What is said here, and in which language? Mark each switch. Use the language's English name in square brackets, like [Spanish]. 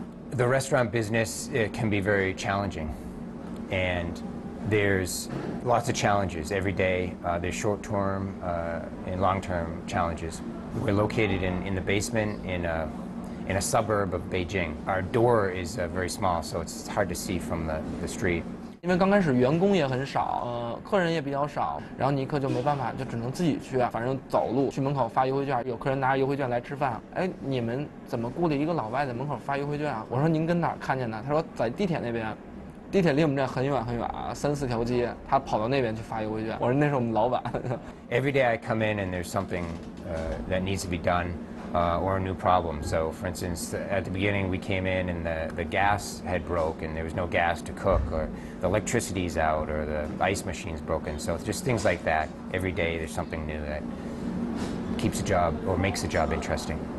[English] The restaurant business can be very challenging. And There's lots of challenges every day. There's short-term and long-term challenges. We're located in the basement in a suburb of Beijing. Our door is very small, so it's hard to see from the street. [Chinese] 因为刚开始员工也很少，客人也比较少，然后尼克就没办法，就只能自己去，反正走路去门口发邮回券。有客人拿着邮回券来吃饭，哎，你们怎么雇了一个老外在门口发邮回券啊？我说您跟哪儿看见的？他说在地铁那边，地铁离我们这很远很远啊，三四条街。他跑到那边去发邮回券。我说那是我们老板。 [English] Every day I come in and there's something that needs to be done or a new problem. So for instance, at the beginning we came in and the gas had broke and there was no gas to cook, or the electricity's out, or the ice machine's broken. So it's just things like that. Every day there's something new that keeps a job or makes a job interesting.